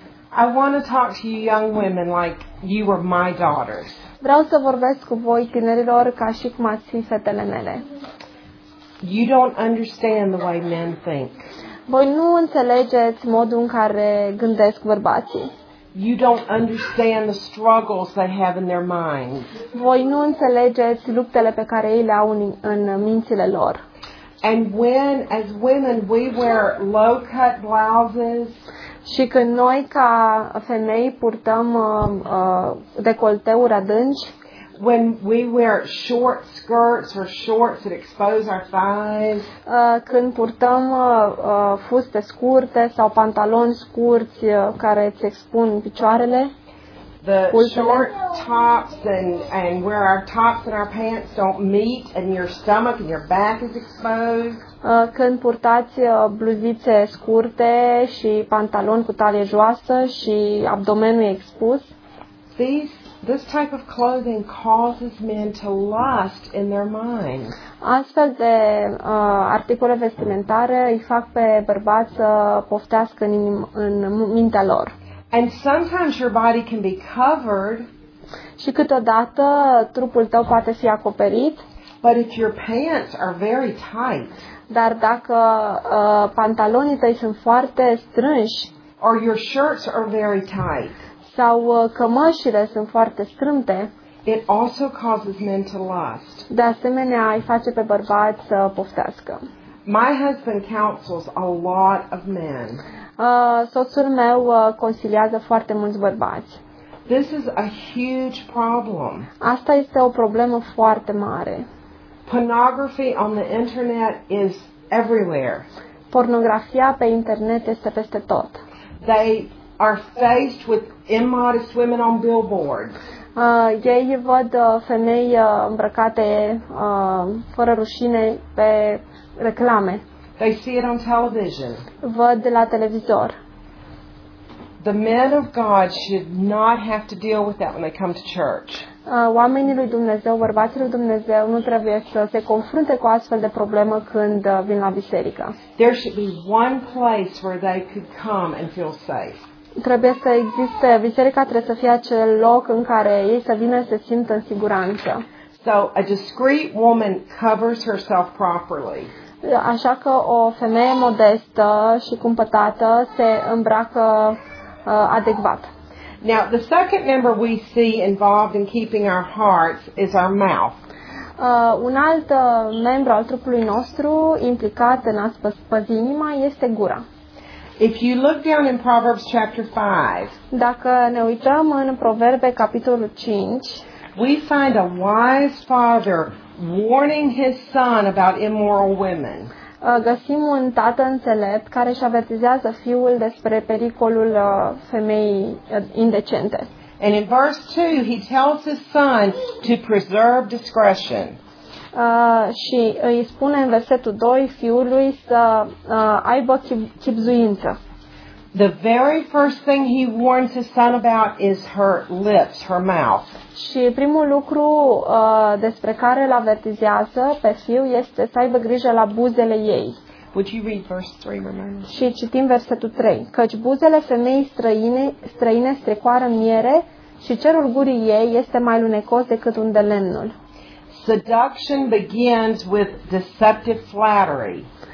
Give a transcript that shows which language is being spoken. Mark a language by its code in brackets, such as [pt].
[en] I want to talk to you young women like you were my daughters. [ro] Vreau să vorbesc cu voi tinerilor ca și cum ați fi fetele mele. [en] You don't understand the way men think. [ro] Voi nu înțelegeți modul în care gândesc bărbații. [en] You don't understand the struggles they have in their minds. [ro] Voi nu înțelegeți luptele pe care ei le au în mințile lor. [en] And when, as women, we wear low-cut blouses. [ro] Și când noi ca femei purtăm decolteuri adânci. [en] When we wear short skirts or shorts that expose our thighs. [ro] Când purtăm fuste scurte sau pantaloni scurți care îți expun picioarele. [en] The short tops and where our tops and our pants don't meet and your stomach and your back is exposed. [ro] Când purtați bluzițe scurte și pantaloni cu talie joasă și abdomenul e expus. [en] This type of clothing causes men to lust in their minds. [ro] Astfel de articole vestimentare îi fac pe bărbați să poftească în mintea lor. [en] And sometimes your body can be covered. [ro] Și câteodată trupul tău poate fi acoperit. [en] But if your pants are very tight, [ro] dar dacă pantalonii tăi sunt foarte strânși, [en] or your shirts are very tight, [ro] sau cămășile sunt foarte strâmte, [en] it also causes men to lust. [ro] De asemenea, îi face pe bărbați să poftească. [en] My husband counsels a lot of men. [ro] Soțul meu consiliază foarte mulți bărbați. [en] This is a huge problem. [ro] Asta este o problemă foarte mare. [en] Pornography on the internet is everywhere. [ro] Pornografia pe internet este peste tot. [en] They are faced with immodest women on billboards. [ro] Ei văd femei îmbrăcate fără rușine pe reclame. [en] They see it on television. [ro] Văd la televizor. [en] The men of God should not have to deal with that when they come to church. [ro] Oamenii lui Dumnezeu, bărbații lui Dumnezeu nu trebuie să se confrunte cu astfel de problemă când vin la biserică. [en] There should be one place where they could come and feel safe. [ro] Trebuie să existe, biserica trebuie să fie acel loc în care ei să vină să se simtă în siguranță. [en] So a discreet woman covers herself properly. [ro] Așa că o femeie modestă și cumpătată se îmbracă adecvat. [en] Now, the second member we see involved in keeping our hearts is our mouth. [ro] Un alt membru al trupului nostru implicat în a păzi inima este gura. [en] If you look down in Proverbs chapter 5, [ro] dacă ne uităm în Proverbe capitolul 5, [en] we find a wise father warning his son about immoral women. [ro] Găsim un tată înțelept care își avertizează fiul despre pericolul femeii indecente. [en] And in verse 2, he tells his son to preserve discretion. [ro] Și îi spune în versetul 2 fiului să aibă chibzuință. [en] The very first thing he warns his son about is her lips, her mouth. [ro] Și primul lucru despre care îl avertizează pe fiu este să aibă grijă la buzele ei. [en] Would you read verse 3, Romana? [ro] Și citim versetul 3. Căci buzele femeii străine strecoară miere și cerul gurii ei este mai lunecos decât un de lemnul. [en] Seduction begins with deceptive flattery.